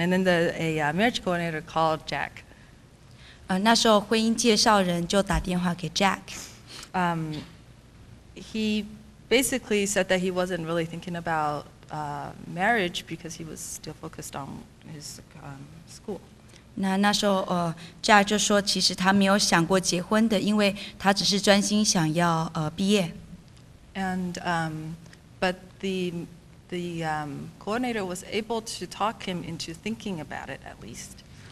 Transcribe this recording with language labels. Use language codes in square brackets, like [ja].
[en] And then a marriage coordinator called Jack. [zh] 那时候婚姻介绍人就打电话给Jack. [en] He basically said that he wasn't really thinking about marriage because he was still focused on his school. [zh] 那时候Jack就说其实他没有想过结婚的，因为他只是专心想要毕业。 [en] And but the coordinator was able to talk him into thinking about it at least.